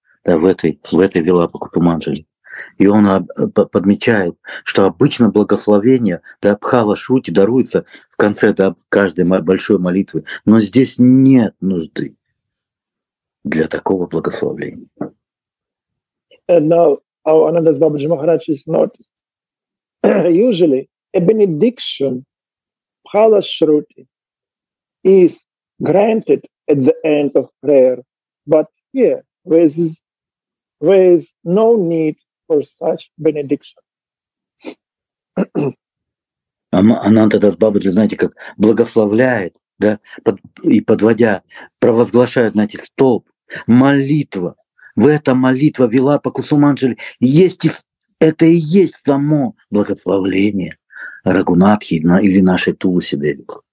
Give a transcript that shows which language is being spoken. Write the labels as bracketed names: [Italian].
[Russian] Да, в этой Вилапакутуманджали. И он подмечает, что обычно благословение, да, Пхала Шрути даруется в конце, да, каждой большой молитвы, но здесь нет нужды для такого благословения. [English] And now our Ananda's Babaji Maharaj has noticed. Usually a benediction Pahala Shruti is granted at the end of prayer, but here there is no need for such benediction. [Russian] Анандадас Бабаджи, знаете, как благословляет, да, и подводя, провозглашает, знаете, столб, молитва. В этой молитве Вилапакусуманджали это и есть само благословление Рагунатхи или нашей Туласи Деви.